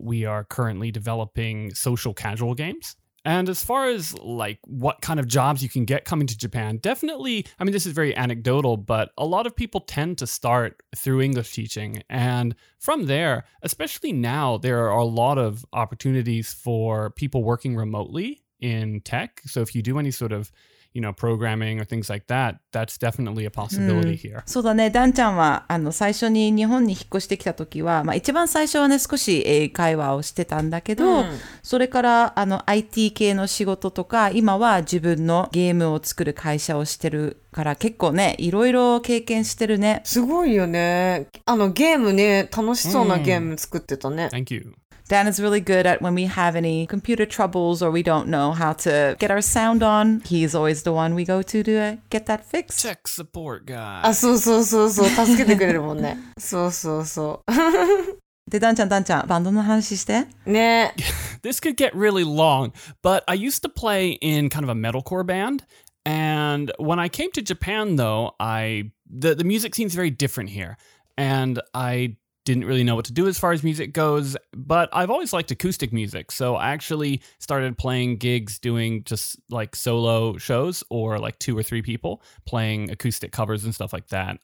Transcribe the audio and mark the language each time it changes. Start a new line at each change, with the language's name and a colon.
English: We are currently developing social casual games. And as far as like what kind of jobs you can get coming to Japan, definitely, I mean, this is very anecdotal, but a lot of people tend to start through English teaching. And from there, especially now, there are a lot of opportunities for people working remotely in tech. So if you do any sort of, you know, programming or things like that, that's definitely a possibility、
Japanese: うん、
English: here.
Japanese: そうだね。ダンちゃんは、あの、最初に日本に引っ越してきたときは、まあ、一番最初はね、少し英会話をしてたんだけど、うん、それから、あの、IT 系の仕事とか、今は自分のゲームを作る会社をしてるから、結構ね、いろいろ経験してるね。すごいよね。あの、ゲームね、楽しそうなゲーム作ってたね。うん、
English: Thank you. Dan is really good at when we have any computer troubles or we don't know how to get our sound on. He's always the one we go to get that fixed. Tech support guy.
Japanese: あ、そうそうそうそう。助けてくれるもんね。そうそうそう。で、ダンちゃん、ダンちゃん、バンドの話して。ね。
English: This could get really long, but I used to play in kind of a metalcore band. And when I came to Japan, though, the music seems very different here. And I didn't really know what to do as far as music goes, but I've always liked acoustic music, so I actually started playing gigs doing just like solo shows or like two or three people playing acoustic covers and stuff like that.